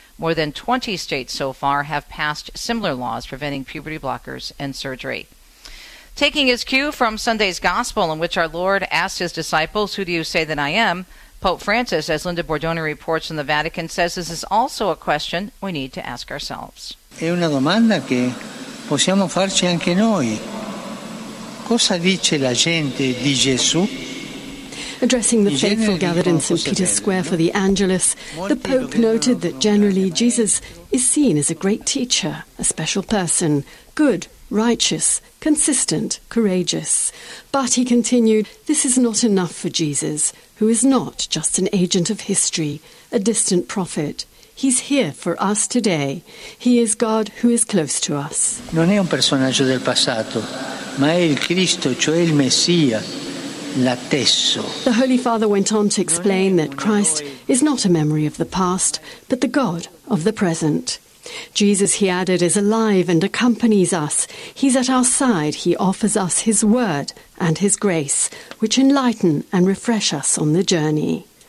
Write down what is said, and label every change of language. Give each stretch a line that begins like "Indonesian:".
English: More than 20 states so far have passed similar laws preventing puberty blockers and surgery. Taking his cue from Sunday's gospel, in which our Lord asked his disciples, "Who do you say that I am?" Pope Francis, as Linda Bordoni reports in the Vatican, says this is also a question we need to ask ourselves.
Italian: È una domanda che possiamo farci anche noi. Cosa dice la gente di Gesù?
English: Addressing the faithful gathered in St. Peter's Square for the Angelus, the Pope noted that generally Jesus is seen as a great teacher, a special person, good, righteous, consistent, courageous. But he continued, this is not enough for Jesus, who is not just an agent of history, a distant prophet. He's here for us today. He is God who is close to us.
Italian: Non è un personaggio del passato, ma è il Cristo, cioè il Messia.
English: The Holy Father went on to explain that Christ is not a memory of the past, but the God of the present. Jesus, he added, is alive and accompanies us. He's at our side. He offers us his word and his grace, which enlighten and refresh us on the journey.